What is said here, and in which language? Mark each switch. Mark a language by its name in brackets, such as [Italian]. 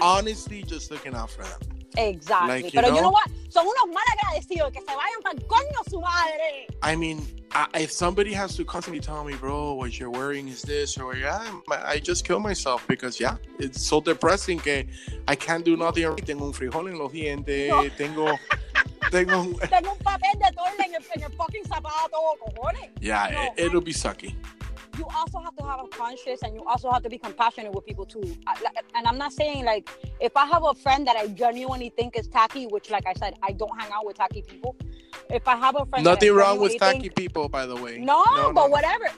[English] Honestly just looking out for them. Exactly. Like, you know what? [Spanish] Son unos malagradecidos que se vayan pa'l coño su madre. [English] I mean, if somebody has to constantly tell me, bro, what you're wearing is this, or yeah, I just kill myself because, yeah, it's so depressing que I can't do nothing. [Spanish] Tengo un frijol en los dientes. Tengo... Tengo un papel de toile en el fucking zapato, cojones. [English] Yeah, it'll be sucky. You also have to have a conscience and you also have to be compassionate with people too. And I'm not saying, like, if I have a friend that I genuinely think is tacky, which, like I said, I don't hang out with tacky people. If I have a friend... Nothing wrong with tacky people, by the way. No, whatever.